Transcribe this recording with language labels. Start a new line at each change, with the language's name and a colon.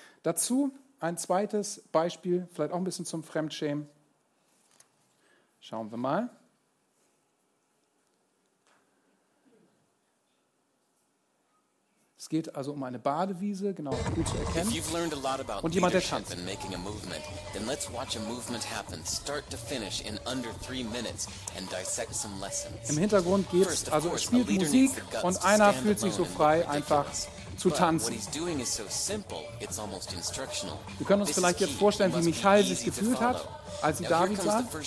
German: Dazu ein zweites Beispiel, vielleicht auch ein bisschen zum Fremdschämen. Schauen wir mal. Es geht also um eine Badewiese, genau, gut zu erkennen. Und jemand, der tanzt.
English: And making a movement, then let's watch a movement happen, start to finish in under 3 minutes and dissect some lessons.
German: Im Hintergrund geht es, also es spielt Musik und einer fühlt sich so frei, einfach zu tanzen. Wir können uns vielleicht jetzt vorstellen, wie Michael sich gefühlt hat, als sie David sah.